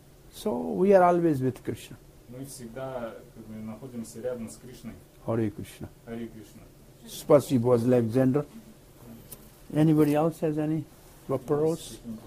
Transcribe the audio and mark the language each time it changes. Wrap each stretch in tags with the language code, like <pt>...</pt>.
<en>So we are always with Krishna.</en> <ru>Мы всегда как бы находимся рядом с Кришной.</ru> <en>Hare Krishna. Hare Krishna.</en> <ru>Спасибо, Александр.</ru> <en>Anybody else has any вопрос?</en>